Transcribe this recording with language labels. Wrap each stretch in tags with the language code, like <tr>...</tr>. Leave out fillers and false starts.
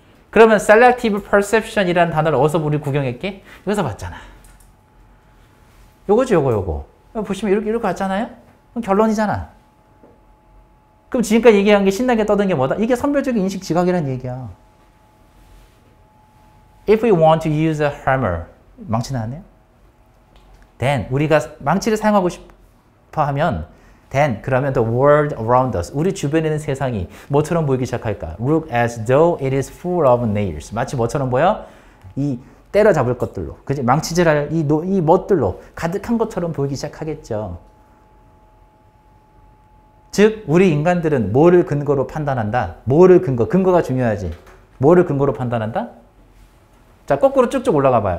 <ko>그러면 selective perception이라는 단어를 어디서 우리 구경했게? 여기서 봤잖아. 요거죠, 요거. 보시면 이렇게 왔잖아요? 그럼 결론이잖아. 그럼 지금까지 얘기한 게 신나게 떠든 게 뭐다? 이게 선별적인 인식 지각이라는 얘기야.</ko> <en>If we want to use a hammer,</en> <ko>망치는 안 해요? Then, 우리가 망치를 사용하고 싶어 하면, then, 그러면</ko> <en>the world around us,</en> <ko>우리 주변에 있는 세상이 뭐처럼 보이기 시작할까?</ko> <en>Look as though it is full of nails.</en> <ko>마치 뭐처럼 보여? 이 때려잡을 것들로, 그지? 망치질할 이 멋들로 가득한 것처럼 보이기 시작하겠죠. 즉, 우리 인간들은 뭐를 근거로 판단한다? 뭐를 근거? 근거가 중요하지. 뭐를 근거로 판단한다? 자, 거꾸로 쭉쭉 올라가 봐요.</ko>